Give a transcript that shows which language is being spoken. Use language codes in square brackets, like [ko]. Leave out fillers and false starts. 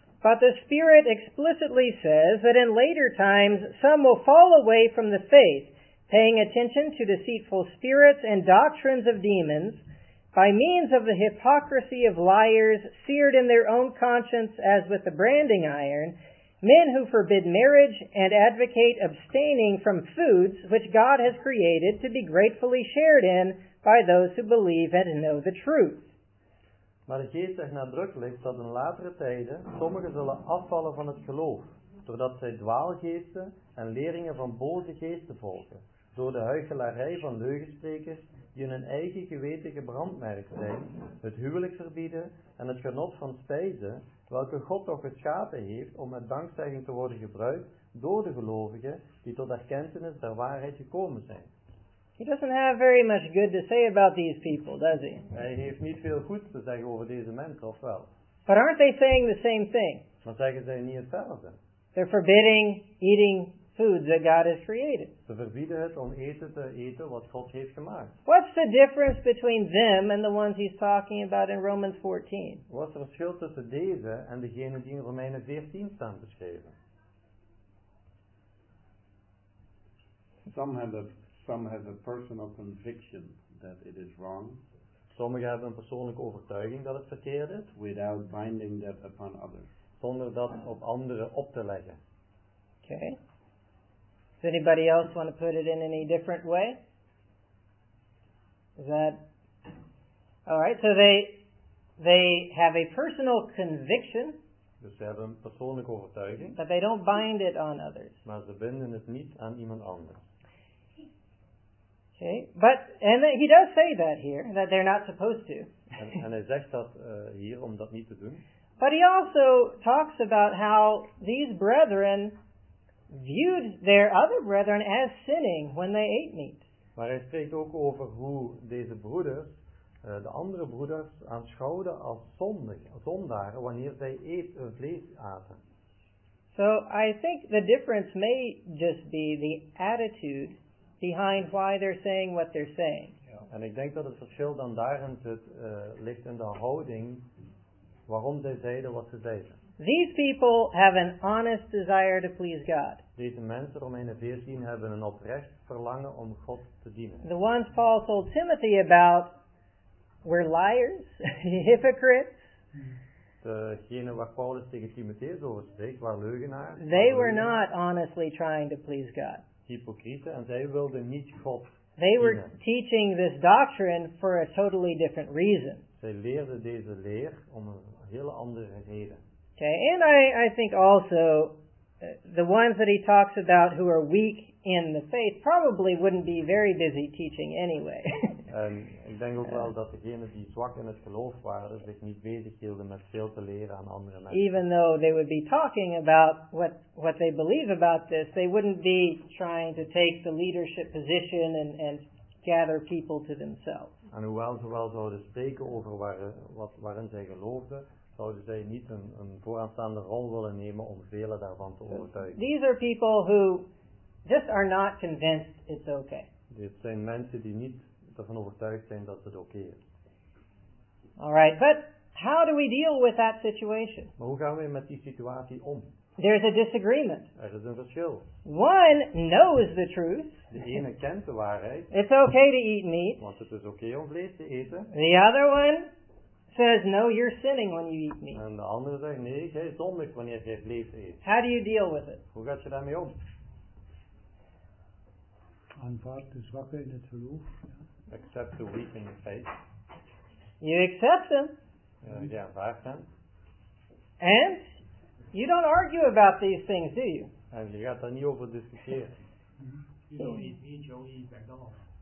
[en] But the Spirit explicitly says that in later times some will fall away from the faith, paying attention to deceitful spirits and doctrines of demons, by means of the hypocrisy of liars seared in their own conscience as with a branding iron, men who forbid marriage and advocate abstaining from foods which God has created to be gratefully shared in, by those who believe and know the truth. [nl] Maar de Geest zegt nadrukkelijk dat in latere tijden sommigen zullen afvallen van het geloof, doordat zij dwaalgeesten en leringen van boze geesten volgen, door de huichelarij van leugensprekers die in hun eigen geweten gebrandmerkt zijn, het huwelijk verbieden en het genot van spijzen, welke God toch geschapen heeft om met dankzegging te worden gebruikt door de gelovigen die tot erkentenis der waarheid gekomen zijn. [en] He doesn't have very much good to say about these people, does he? [nl] Hij heeft niet veel goed te zeggen over deze mensen, of wel? [en] But aren't they saying the same thing? [nl] Maar zeggen zij niet hetzelfde? [en] They're forbidding eating foods that God has created. [nl] Ze verbieden het om eten te eten wat God heeft gemaakt. [en] What's the difference between them and the ones he's talking about in Romans 14? [nl] Wat is het verschil tussen deze en degene die in Romeinen 14 staan beschreven? [en] Some have a personal conviction that it is wrong. [nl] Sommigen hebben een persoonlijke overtuiging dat het verkeerd is. [en] Without binding that upon others. [nl] Zonder dat op anderen op te leggen. [en] Okay. Does anybody else want to put it in any different way? Is that all right? So they have a personal conviction. [nl] Dus ze hebben een persoonlijke overtuiging. [en] But they don't bind it on others. [nl] Maar ze binden het niet aan iemand anders. [en] Okay. But and he does say that here that they're not supposed to. [nl] En hij zegt dat hier om dat niet te doen. [en] But he also talks about how these brethren viewed their other brethren as sinning when they ate meat. [nl] Maar hij spreekt ook over hoe deze broeders, de andere broeders, aanschouwden als zondaren wanneer zij vlees aten. [en] So I think the difference may just be the attitude behind why they're saying what they're saying. Yeah. [nl] En ik denk dat het verschil dan daarin zit, ligt in de houding waarom zij zeiden wat ze zeiden. [en] These people have an honest desire to please God. [nl] Deze mensen, Romeinen 14, hebben een oprecht verlangen om God te dienen. [en] The ones Paul told Timothy about were liars, hypocrites. [nl] Degene waar Paulus tegen Timotheus over spreekt, waren leugenaars. [en] They were not honestly trying to please God. [nl] Hypocrieten, en zij wilden niet God dienen. [en] They were teaching this doctrine for a totally different reason. [nl] Zij leerden deze leer om een hele andere reden. [en] Okay, and I think also the ones that he talks about who are weak in the faith probably wouldn't be very busy teaching anyway. [nl] Ik denk ook wel dat degenen die zwak in het geloof waren zich niet bezig hielden met veel te leren aan andere mensen. [en] Even though they would be talking about what they believe about this, they wouldn't be trying to take the leadership position and gather people to themselves. [nl] En hoewel ze wel zouden spreken over waarin zij geloofden, zouden zij niet een vooraanstaande rol willen nemen om velen daarvan te overtuigen. [en] These are people who just are not convinced it's okay. [nl] Dit zijn mensen die niet ervan overtuigd zijn dat het oké is. [en] All right, but how do we deal with that situation? [nl] Maar hoe gaan we met die situatie om? [en] There's a disagreement. [nl] Er is een verschil. [en] One knows the truth. [nl] De ene kent de waarheid. [en] It's okay to eat meat. [nl] Want het is oké om vlees te eten. [en] The other one says, no, you're sinning when you eat meat. [nl] En de andere zegt, nee, jij zondigt wanneer jij vlees eet. [en] How do you deal with it? [nl] Hoe gaat je daarmee om? Aanvaard de zwakke in het geloof. [en] Accept the weak in the faith. You accept them. [nl] Je aanvaardt hem. [en] And you don't argue about these things, do you? [nl] En je gaat daar niet over discussiëren. [en] You don't eat meat, you only eat McDonald's.